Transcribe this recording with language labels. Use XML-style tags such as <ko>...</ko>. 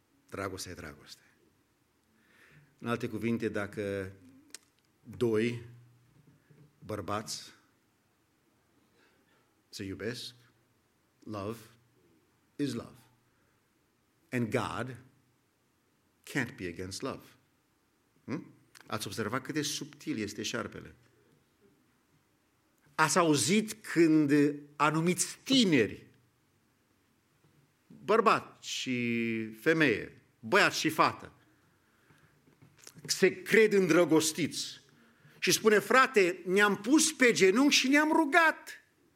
<ro>Dragoste e dragoste. În alte cuvinte, dacă doi bărbați se iubesc,</ro> <en>love is love. And God can't be against love.</en> <ro>Ați observat cât de subtil este șarpele? Ați auzit când anumiți tineri, bărbat și femeie, băiat și fată, se cred îndrăgostiți și spune: frate, ne-am pus pe genunchi și ne-am rugat.</ro>